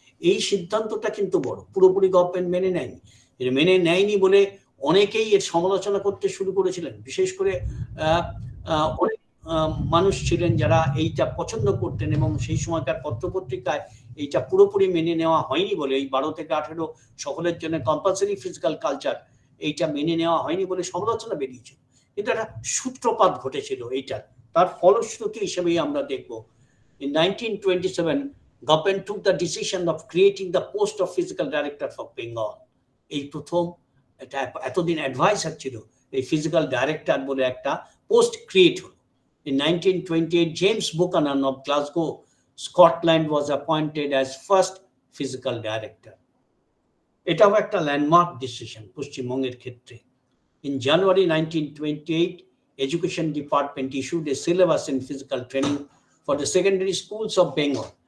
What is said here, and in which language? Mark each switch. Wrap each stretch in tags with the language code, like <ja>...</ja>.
<bn>এই সিদ্ধান্তটা কিন্তু বড়, পুরোপুরি গভর্নমেন্ট মেনে নেয়নি। এটা মেনে নেয়নি বলে অনেকেই এর সমালোচনা করতে শুরু করেছিলেন, বিশেষ করে অনেক মানুষ ছিলেন যারা এইটা পছন্দ করতেন এবং সেই সময়কার পত্রপত্রিকায় এইটা পুরোপুরি মেনে নেওয়া হয়নি বলে, এই 12-18 সকলের জন্য কম্পালসারি ফিজিক্যাল কালচার এইটা মেনে নেওয়া হয়নি বলে সমালোচনা বেরিয়েছিল। কিন্তু একটা সূত্রপাত ঘটেছিল এইটার, তার ফলশ্রুতি হিসেবেই আমরা দেখব।</bn> <en>In 1927 government took the decision of creating the post of physical director for Bengal.</en> <bn>এই প্রথম এটা এতদিন অ্যাডভাইসার ছিল, এই ফিজিক্যাল ডাইরেক্টর বলে একটা পোস্ট ক্রিয়েট হল।</bn> <en>In 1928 James Buchanan of Glasgow Scotland was appointed as first physical director.</en> <bn>এটাও একটা ল্যান্ডমার্ক ডিসিশন পশ্চিমবঙ্গের ক্ষেত্রে।</bn> <en>In January 1928 education department issued a syllabus in physical training for the secondary schools of Bengal.</en>